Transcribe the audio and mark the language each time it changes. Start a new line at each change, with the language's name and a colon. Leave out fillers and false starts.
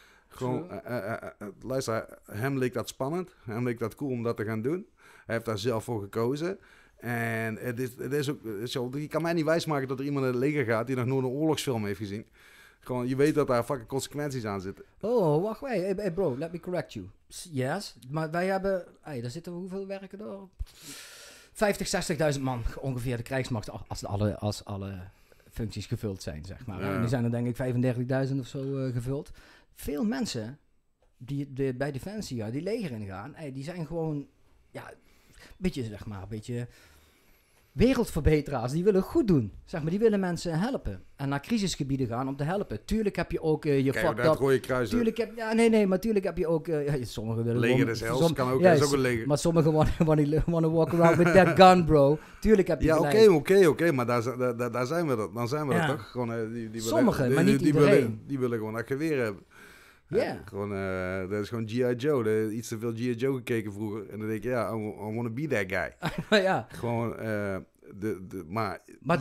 Dutch: Gewoon, luister, hem leek dat spannend. Hem leek dat cool om dat te gaan doen. Hij heeft daar zelf voor gekozen. En het is ook, je kan mij niet wijsmaken dat er iemand in het leger gaat die nog nooit een oorlogsfilm heeft gezien. Gewoon, je weet dat daar fucking consequenties aan zitten. Oh, wacht,
English: hey bro, let me correct you.
Dutch: Yes, maar wij hebben, daar zitten we hoeveel werken door? 50,000-60,000 man ongeveer de krijgsmacht, als alle functies gevuld zijn, zeg maar. Ja. Er zijn er denk ik 35,000 of zo gevuld. Veel mensen die bij Defensie, die leger ingaan, die zijn gewoon, een beetje wereldverbeteraars. Die willen goed doen, zeg maar. Die willen mensen helpen en naar crisisgebieden gaan om te helpen. Tuurlijk heb je ook je fucked up. Rode kruis. Tuurlijk heb, maar tuurlijk heb je ook, sommigen willen. Leger is hels, kan ook, is ook een leger. Maar sommigen
English: want to walk around with that gun, bro.
Dutch: Tuurlijk heb je. Ja, oké, maar daar zijn we dan. Dan zijn we toch gewoon. Sommigen, maar niet iedereen. Die willen gewoon dat geweer hebben. Dat is gewoon G.I. Joe. Er is iets te veel G.I. Joe gekeken vroeger. En dan denk ik,
English: I want to be that guy.
Dutch: Ja. Gewoon, maar